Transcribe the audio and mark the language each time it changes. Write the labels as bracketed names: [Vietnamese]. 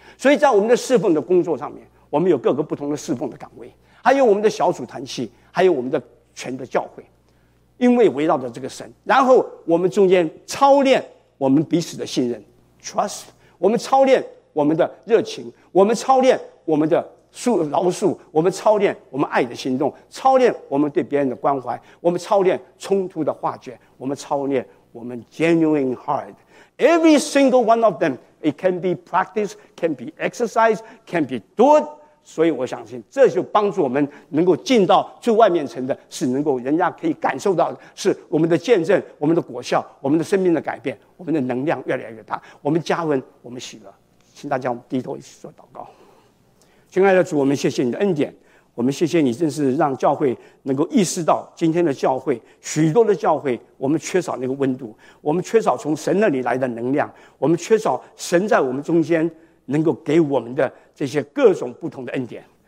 [Chinese] 所以在我们的侍奉的工作上面，我们有各个不同的侍奉的岗位，还有我们的小组团契，还有我们的全的教会，因为围绕着这个神，然后我们中间操练我们彼此的信任 trust， 我们操练我们的热情，我们操练我们的饶恕，我们操练我们爱的行动，操练我们对别人的关怀，我们操练冲突的化解，我们操练我们 [English] genuine heart. Every single one of them, it can be practiced, can be exercised, can be taught. [Chinese] 所以我相信这就帮助我们能够进到最外面层的，是能够人家可以感受到的，是我们的见证，我们的果效，我们的生命的改变，我们的能量越来越大，我们加温，我们喜乐。请大家低头一起做祷告。亲爱的主，我们谢谢你的恩典，我们谢谢你，真是让教会能够意识到今天的教会，许多的教会我们缺少那个温度，我们缺少从神那里来的能量，我们缺少神在我们中间能够给我们的这些各种不同的恩典。